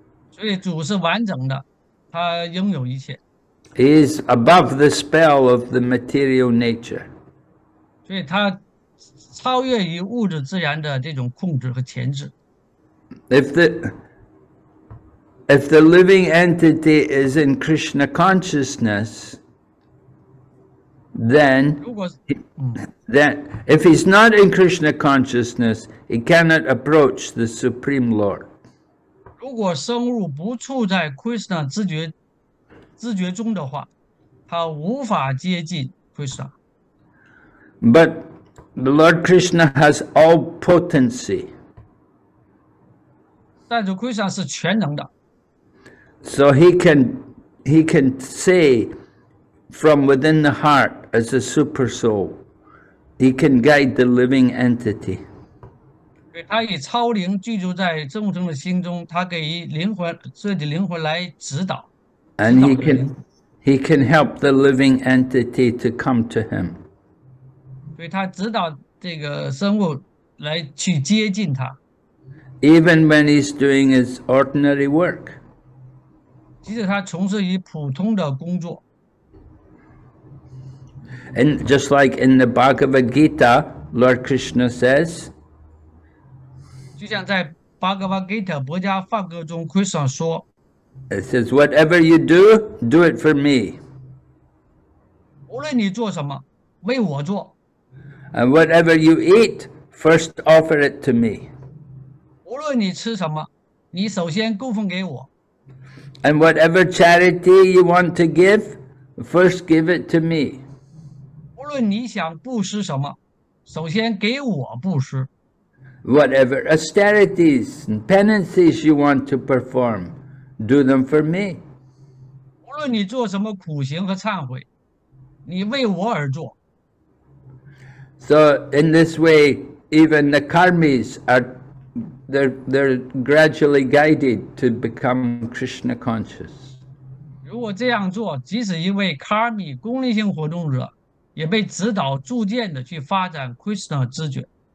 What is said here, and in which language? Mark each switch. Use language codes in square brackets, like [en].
[zh] 所以主是完整的，他拥有一切。 [en] He is above the spell of the material nature. [zh] 所以他超越于物质自然的这种控制和钳制。 [en] If the living entity is in Krishna consciousness, then, [zh] 如果是, [en] then if he's not in Krishna consciousness, he cannot approach the Supreme Lord. [zh] 如果生物不处在 Krishna 自觉中的话，他无法接近 Krishna. [en] But the Lord Krishna has all potency. [zh] 但是 Krishna 是全能的。 [en] So he can say from within the heart as a super soul, he can guide the living entity. [zh] 对，他以超灵居住在众生的心中，他给灵魂自己灵魂来指导。 [en] And he can help the living entity to come to him. [zh] 对，他指导这个生物来去接近他。 [en] Even when he's doing his ordinary work. [zh] 即使他从事于普通的工作。 [en] And just like in the Bhagavad Gita, Lord Krishna says, [zh] 就像在 Bhagavad Gita, 薄伽梵歌中 Krishna 说, [en] It says, whatever you do, do it for me. [zh] 无论你做什么,为我做。 [en] And whatever you eat, first offer it to me. [zh] 无论你吃什么,你首先供奉给我。 [en] And whatever charity you want to give, first give it to me. [zh] 无论你想布施什么，首先给我布施。 [en] Whatever austerities and penances you want to perform, do them for me. [zh] 无论你做什么苦行和忏悔，你为我而做。 [en] So in this way, even the karmis are. They're gradually guided to become Krishna conscious. [zh] 如果这样做，即使一位 karmi 功利性活动者，也被指导逐渐的去发展 Krishna 知觉。